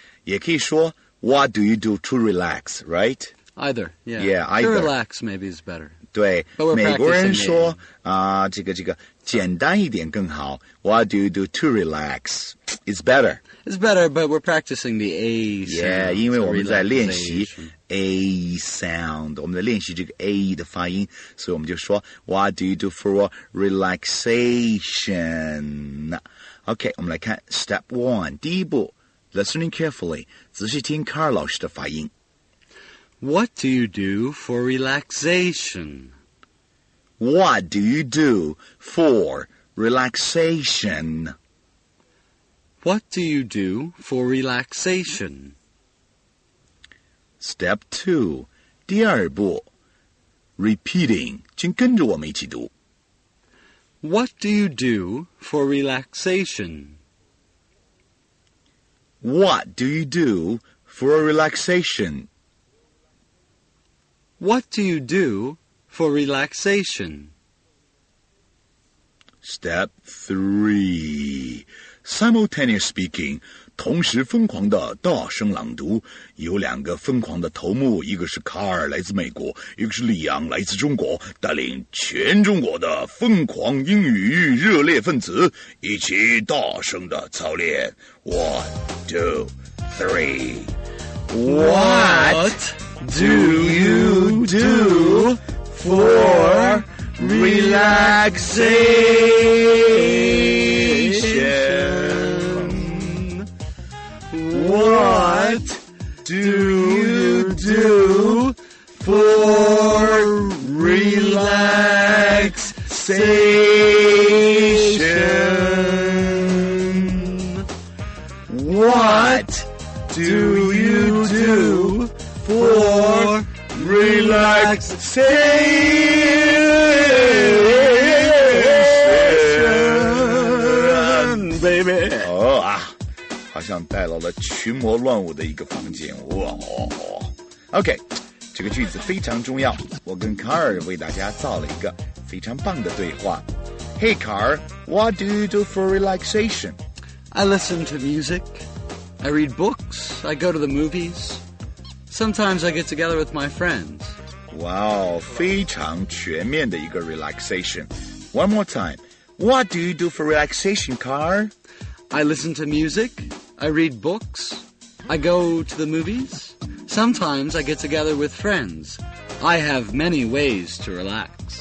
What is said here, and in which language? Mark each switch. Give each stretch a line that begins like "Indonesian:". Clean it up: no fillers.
Chinese: 也可以说,
English: what do you do to relax, right? Either, yeah. Yeah, either. To relax maybe is better.
Chinese: 对,
English: but we're
Chinese: 美国人说, 简单一点更好,
English: what do you do to relax? It's better. It's better, but we're practicing the A sound.
Chinese: Yeah, 因为我们在练习 A sound. 我们在练习这个 A 的发音, 所以我们就说,
English: what do you do for relaxation?
Chinese: Okay, 我们来看 step 1. 第一步,
English: listening carefully,
Chinese: 仔细听 Carl 老师的发音。
English: What do you do for relaxation? What do you do for relaxation? What do you do for relaxation? Step 2.
Chinese: 第二步.
English: Repeating.
Chinese: 请跟着我们一起读.
English: What do you do for relaxation? What do you do for relaxation? What do you do for relaxation? Step 3. Simultaneous speaking,
Chinese: 同时疯狂的大声朗读，有两个疯狂的头目，一个是卡尔，来自美国，一个是李阳，来自中国，带领全中国的疯狂英语热烈分子一起大声的操练。
English: One, two, three. What do you do for relaxation? What do you do for relaxation? What do you do for relaxation, baby?
Chinese: Oh, ah, 好像带到了群魔乱舞的一个房间.
English: Wow.
Chinese: Okay, 这个句子非常重要.我跟卡尔为大家造了一个非常棒的对话.
English: Hey, Carl, what do you do for relaxation? I listen to music. I read books, I go to the movies. Sometimes I get together with my friends.
Chinese: Wow, 非常全面的一个 relaxation.
English: One more time. What do you do for relaxation, Carl? I listen to music, I read books, I go to the movies. Sometimes I get together with friends. I have many ways to relax.